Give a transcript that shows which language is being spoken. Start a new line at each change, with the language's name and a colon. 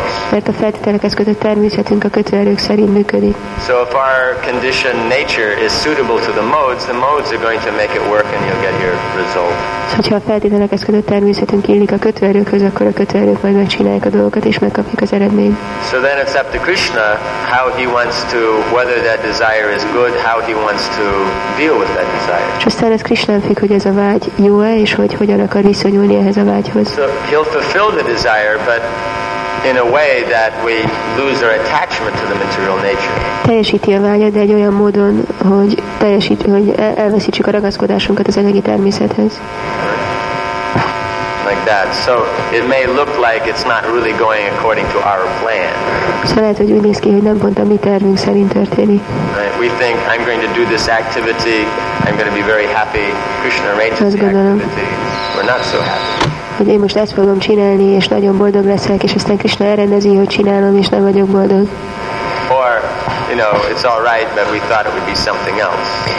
Hungarian: Mert a feltételekhez kötött természetünk a kötőerők szerint működik.
English: So if our condition nature is suitable to the modes are going to make it work and you'll get your result.
Hungarian: Hogyha a feltételekhez kötött természetünk illik a kötőerőkhöz, akkor a kötőerők majd megcsinálják a dolgokat és megkapjuk az eredményt.
English: So then it's up to Krishna how he wants to, whether that desire is good, how he wants to deal with that desire.
Hungarian: Fik, hogy ez a vágy jó-e, és hogy hogyan akar viszonyulni ehhez a vágyhoz.
English: So he'll fulfill the desire, but in a way that we lose our attachment to the material nature.
Hungarian: Teljesíti a vágyat, de egy olyan módon, hogy elveszítsük a ragaszkodásunkat az anyagi természethez.
English: Like that. So it may look like it's not really going according to our plan.
Hungarian: So lehet, hogy úgy néz ki, hogy nem pont a mi tervünk szerint történik.
English: Right. We think I'm going to do this activity, I'm going to be very happy. Krishna arranges the activity. We're not so happy.
Hungarian: Hogy én most ezt fogom csinálni, és nagyon boldog leszek, és aztán Krishna elrendezi, hogy csinálom, és nem vagyok boldog.
English: Or, you know, it's all right, but we thought it would be something else.